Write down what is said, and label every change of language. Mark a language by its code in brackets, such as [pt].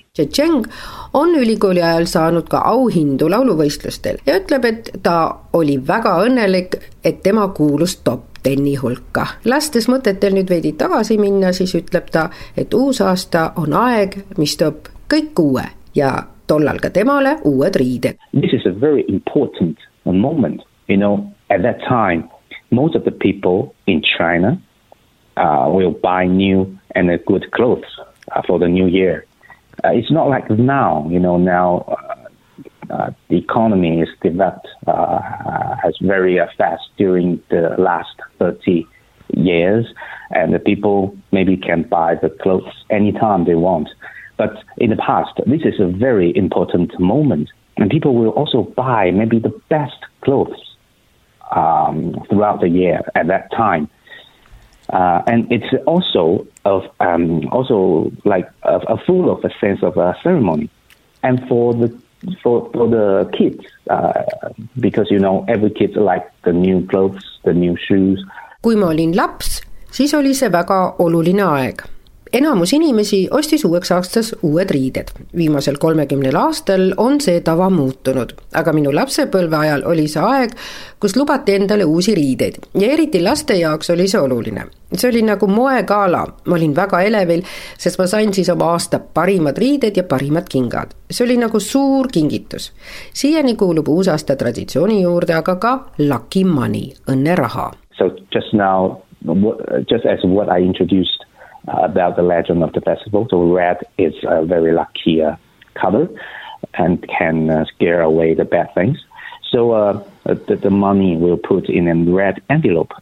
[et] Cheng on ülikooli ajal saanud ka auhindu lauluvõistlustel ja ütleb, et ta oli väga õnnelik, et tema kuulus top tenni hulka. Lastes mõtetel nüüd veidi tagasi minna, siis ütleb ta, et uus aasta on aeg, mis toob kõik uue ja tollal ka temale uued riided. [en] This is a very important moment, you know, at that time. Most of the people in China will buy new and good clothes for the new year. It's not like now, you know, now the economy is developed has very fast during the last 30 years. And the people maybe can buy the clothes anytime they want. But in the past, this is a very important moment. And people will also buy maybe the best clothes throughout the year at that time, and it's also of also like a full of a sense of a ceremony, and for the kids because you know every kid like the new clothes, the new shoes. [et] Kui ma olin laps, siis oli see väga oluline aeg. Enamus inimesi ostis uueks aastas uued riided. Viimasel 30 aastal on see tava muutunud, aga minu lapsepõlve ajal oli see aeg, kus lubati endale uusi riideid ja eriti laste jaoks oli see oluline. See oli nagu moegaala, ma olin väga elevil, sest ma sain siis oma aasta parimad riided ja parimad kingad. See oli nagu suur kingitus. Siiani kuulub uus aasta traditsiooni juurde, aga ka lucky money, õnne raha. [en] So just now, just as what I introduced about the legend of the festival. So red is a very lucky color and can scare away the bad things. So the money will put in a red envelope.